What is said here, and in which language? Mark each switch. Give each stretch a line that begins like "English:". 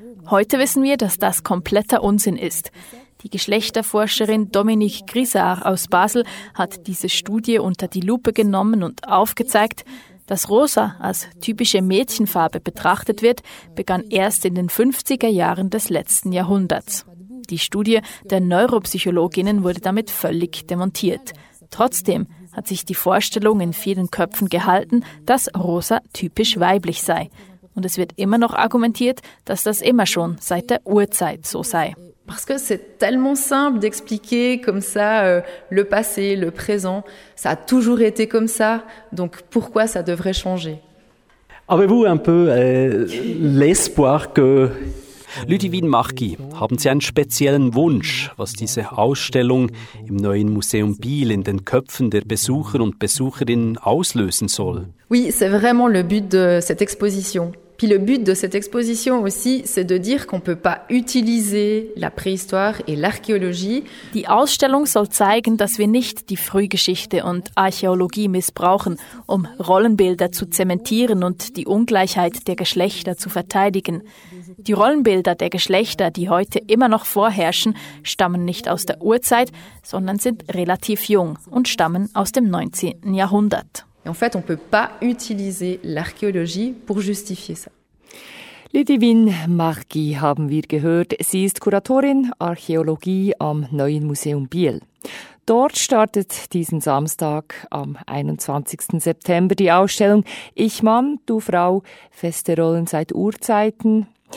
German: Heute wissen wir, dass das kompletter Unsinn ist. Die Geschlechterforscherin Dominique Grisard aus Basel hat diese Studie unter die Lupe genommen und aufgezeigt, dass Rosa als typische Mädchenfarbe betrachtet wird, begann erst in den 50er Jahren des letzten Jahrhunderts. Die Studie der Neuropsychologinnen wurde damit völlig demontiert. Trotzdem hat sich die Vorstellung in vielen Köpfen gehalten, dass Rosa typisch weiblich sei. Und es wird immer noch argumentiert, dass das immer schon seit der Urzeit so sei.
French: Parce que c'est tellement simple d'expliquer comme ça le passé, le présent. Ça a toujours été comme ça. Donc pourquoi ça devrait changer? Avez-vous un peu l'espoir que.
German: Ludivine Marquis, haben Sie einen speziellen Wunsch, was diese Ausstellung im neuen Museum Biel in den Köpfen der Besucher und Besucherinnen auslösen soll?
French: Oui, c'est vraiment le but de cette exposition. Puis le but de cette exposition aussi, c'est de dire qu'on ne peut pas utiliser la préhistoire et l'archéologie.
German: Die Ausstellung soll zeigen, dass wir nicht die Frühgeschichte und Archäologie missbrauchen, um Rollenbilder zu zementieren und die Ungleichheit der Geschlechter zu verteidigen. Die Rollenbilder der Geschlechter, die heute immer noch vorherrschen, stammen nicht aus der Urzeit, sondern sind relativ jung und stammen aus dem 19. Jahrhundert.
French: En fait, on peut pas utiliser l'archéologie pour justifier ça.
German: Ludivine Marchi haben wir gehört. Sie ist Kuratorin Archäologie am Neuen Museum Biel. Dort startet diesen Samstag am 21. September die Ausstellung Ich Mann, Du Frau, feste Rollen seit Urzeiten.